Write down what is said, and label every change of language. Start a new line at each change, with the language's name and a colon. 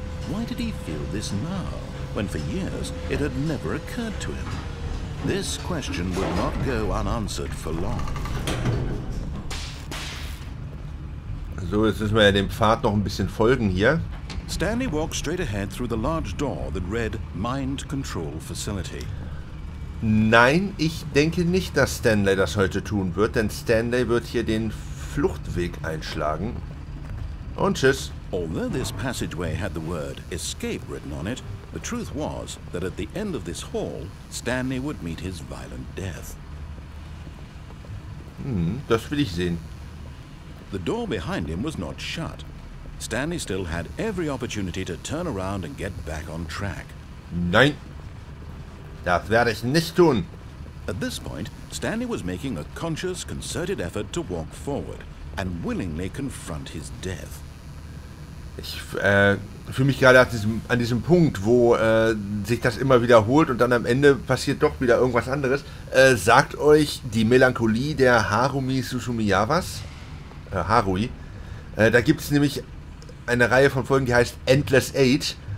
English: Why did he feel this now, when for years it had never occurred to him? This question will not go unanswered for long.
German: So, jetzt müssen wir ja dem Pfad noch ein bisschen folgen hier.
English: Stanley walked straight ahead through the large door that read Mind Control Facility.
German: Nein, ich denke nicht, dass Stanley das heute tun wird, denn Stanley wird hier den Fluchtweg einschlagen. Und tschüss.
English: Although this passageway had the word escape written on it, the truth was that at the end of this hall, Stanley would meet his violent death.
German: Das will ich sehen.
English: The door behind him was not shut. Stanley still had every opportunity to turn around and get back on track.
German: Nein, das werde ich nicht tun.
English: At this point, Stanley was making a conscious, concerted effort to walk forward and willingly confront his death.
German: Ich fühle mich gerade an diesem Punkt, wo sich das immer wiederholt und dann am Ende passiert doch wieder irgendwas anderes. Sagt euch die Melancholie der Harumi Susumiyawas? Harui. Da gibt es nämlich eine Reihe von Folgen, die heißt Endless Eight.